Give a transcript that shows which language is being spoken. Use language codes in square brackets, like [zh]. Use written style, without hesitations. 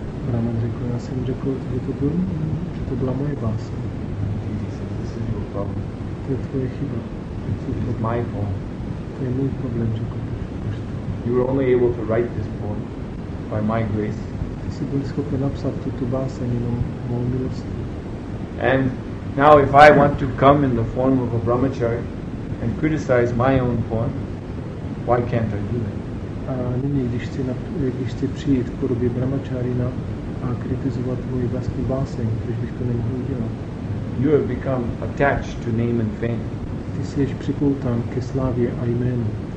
[cs] Brahman řekl, já jsem řekl, že to byla moje básně. [en] He said, this is your problem. [cs] To je tvoje chyba. [en] It was my poem. [cs] To je můj problém, řekl božstvo. [en] You were only able to write this poem by my grace. [cs] Ty jsi byl schopen napsat tuto básně jenom mou milostí. [en] And now if I want to come in the form of a brahmacharya and criticize my own poem, why can't I do that? [cs] A nyní, když chci přijít v podobě brahmacharina a kritizovat můj vlastní báseň, proč bych to nemohl udělat? [en] You have become attached to name and fame. [cs] Ty jsi již připoután ke slávě a jménu.